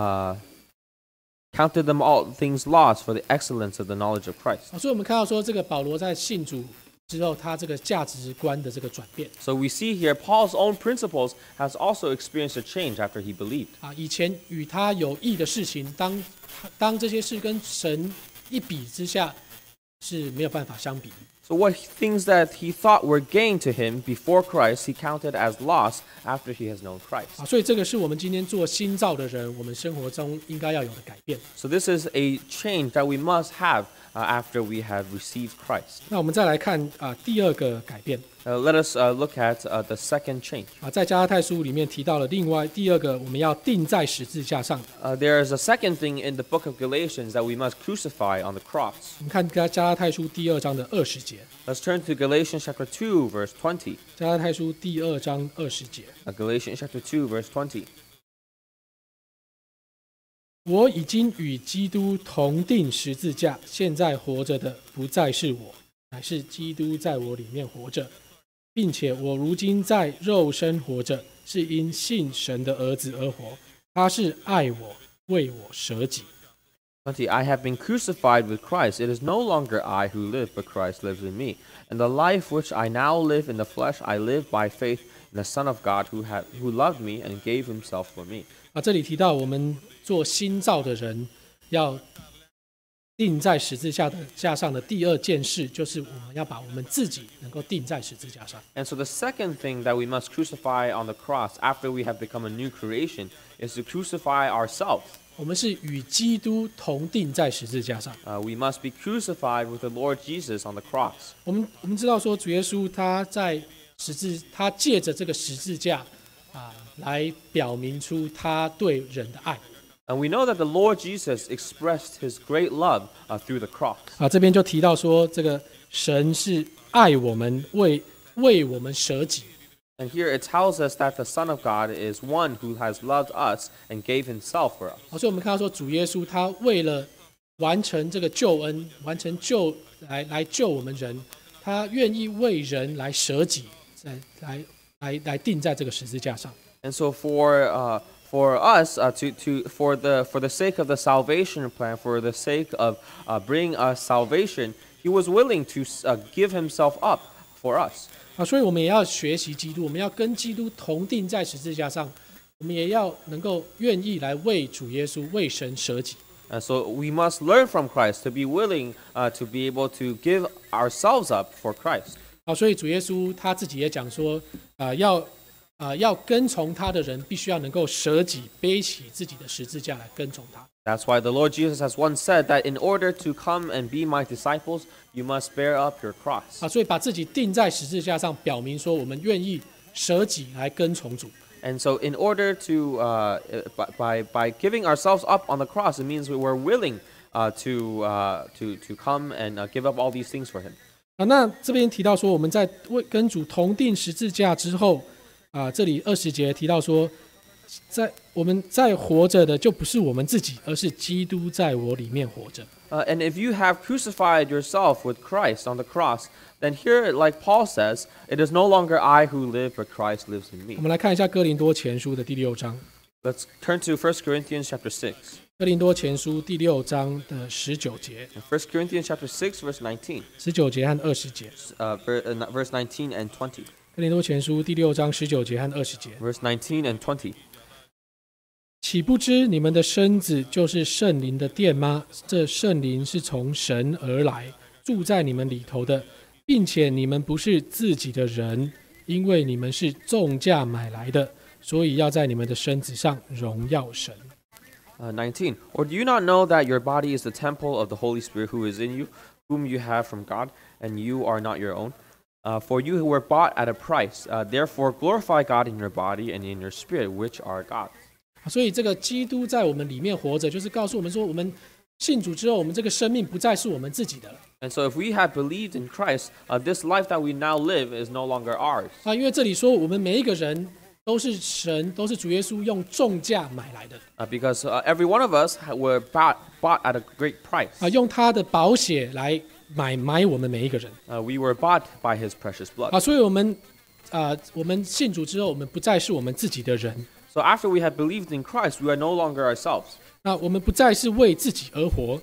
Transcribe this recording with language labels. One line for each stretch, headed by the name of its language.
English: And he counted them all things loss for the excellence of the knowledge of Christ.
Chinese: 所以我们看到说，这个保罗在信主之后，他这个价值观的这个转变。
English: So we see here Paul's own principles has also experienced a change after he believed.
Chinese: 以前与他有益的事情，当这些事跟神一比之下，是没有办法相比。
English: So what things that he thought were gain to him before Christ, he counted as loss after he has known Christ.
Chinese: 所以这个是我们今天做新造的人，我们生活中应该要有的改变。
English: So this is a change that we must have. After we have received Christ.
Chinese: 那我们再来看第二个改变。
English: Let us look at the second change.
Chinese: 在加拉太书里面提到了另外第二个我们要钉在十字架上。
English: There is a second thing in the book of Galatians that we must crucify on the cross.
Chinese: 我们看加拉太书第二章的二十节。
English: Let's turn to Galatians chapter 2 verse 20.
Chinese: 加拉太书第二章二十节。
English: Galatians chapter 2 verse 20.
Chinese: 我已经与基督同钉十字架，现在活着的不再是我，乃是基督在我里面活着，并且我如今在肉身活着，是因信神的儿子而活，他是爱我，为我舍己。
English: I have been crucified with Christ. It is no longer I who live, but Christ lives in me. And the life which I now live in the flesh, I live by faith in the Son of God who loved me and gave himself for me.
Chinese: 这里提到我们做新造的人要钉在十字架的架上的第二件事，就是我们要把我们自己能够钉在十字架上。
English: And so the second thing that we must crucify on the cross after we have become a new creation is to crucify ourselves.
Chinese: 我们是与基督同钉在十字架上。
English: We must be crucified with the Lord Jesus on the cross.
Chinese: 我们知道说主耶稣他借着这个十字架来表明出他对人的爱。
English: And we know that the Lord Jesus expressed his great love through the cross.
Chinese: 这边就提到说这个神是爱我们 为我们舍己。
English: And here it tells us that the Son of God is one who has loved us and gave himself for us.
Chinese: 所以我们看到说主耶稣他为了完成这个救恩，完成救 来救我们人，他愿意为人来舍己，来钉在这个十字架上。
English: And so for us, for the sake of the salvation plan, for the sake of bringing us salvation, he was willing to give himself up for us.
Chinese: 所以我们也要学习基督，我们要跟基督同钉在十字架上，我们也要能够愿意来为主耶稣、为神舍己。
English: And so we must learn from Christ to be willing to be able to give ourselves up for Christ.
Chinese: 所以主耶稣他自己也讲说，要要跟从他的人必须要能够舍己，背起自己的十字架来跟从他。
English: That's why the Lord Jesus has once said that in order to come and be my disciples, you must bear up your cross.
Chinese: 所以把自己钉在十字架上，表明说我们愿意舍己来跟从主。
English: And so in order to by giving ourselves up on the cross, it means we were willing to come and give up all these things for him.
Chinese: 那这边提到说我们在跟主同钉十字架之后。这里二十节提到说，在我们在活着的就不是我们自己，而是基督在我里面活着。
English: And if you have crucified yourself with Christ on the cross, then here, like Paul says, it is no longer I who live, but Christ lives in me.
Chinese: 我们来看一下哥林多前书的第六章。
English: Let's turn to 1 Corinthians chapter 6.
Chinese: 哥林多前书第六章的十九节。
English: First Corinthians chapter 6, verse 19.
Chinese: 十九节和二十节。
English: Verse 19 and 20.
Chinese: 哥林多前书第六章十九节和二十节。
English: Verse 19 and 20.
Chinese: 岂不知你们的身子就是圣灵的殿吗？这圣灵是从神而来，住在你们里头的，并且你们不是自己的人，因为你们是重价买来的。所以要在你们的身子上荣耀神。
English: 19. Or do you not know that your body is the temple of the Holy Spirit who is in you, whom you have from God, and you are not your own? For you were bought at a price. Therefore glorify God in your body and in your spirit, which are God's.
Chinese: 所以这个基督在我们里面活着，就是告诉我们说，我们信主之后，我们这个生命不再是我们自己的了。
English: And so if we have believed in Christ, this life that we now live is no longer ours.
Chinese: 因为这里说我们每一个人都是神，都是主耶稣用重价买来的。
English: Because every one of us were bought at a great price.
Chinese: 用他的宝血来买我们每一个人。
English: We were bought by his precious blood.
Chinese: 所以我们信主之后，我们不再是我们自己的人。
English: So after we have believed in Christ, we are no longer ourselves.
Chinese: 我们不再是为自己而活。